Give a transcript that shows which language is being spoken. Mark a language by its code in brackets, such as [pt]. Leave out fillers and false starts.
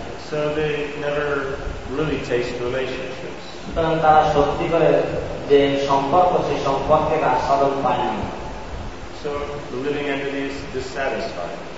[en] So they never really taste relationships. [bn] সুতরাং তারা সত্যি করে যে সম্পর্ক সেই সম্পর্কে আস্বাদন পায় না. [en] So the living entity is dissatisfied.